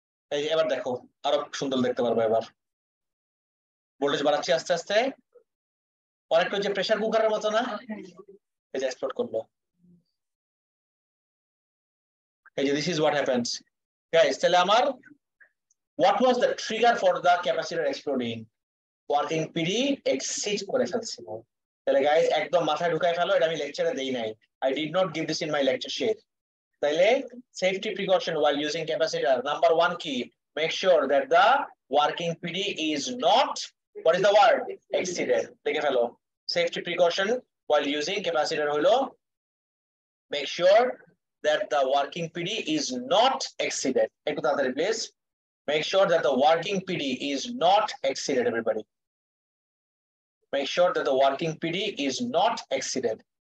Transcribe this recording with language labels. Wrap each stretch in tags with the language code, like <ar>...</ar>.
<bn>এই এবার দেখো, আরো সুন্দর দেখতে পারবো, এবার ভোল্টেজ বাড়াচ্ছি আস্তে আস্তে, অনেকটা যে প্রেশার কুকারের মতো না, এই যে এক্সপ্লোড করলো, এই যে</bn> <en>This is what happens guys.</en> <bn>তাহলে আমার</bn> <en>What was the trigger for the capacitor exploding? Working PD exceed</en> <bn>করে ফেলছি তাহলে গাইস একদম মাথায় ঢুকায় ফেলো এটা আমি লেকচারে দেই নাই</bn> <en>I did not give this in my lecture share তাহলে safety precaution while using capacitor number 1 কি make sure that the working PD is not what is the word exceeded</en> <bn>দেখে ফেলো</bn> <en>safety precaution while using capacitor হলো make sure that the working PD is not exceeded</en> <bn>একটু তাড়াতাড়ি please</bn> <en>Make sure that the working PD is not exceeded, everybody. Make sure that the working PD is not exceeded.</en>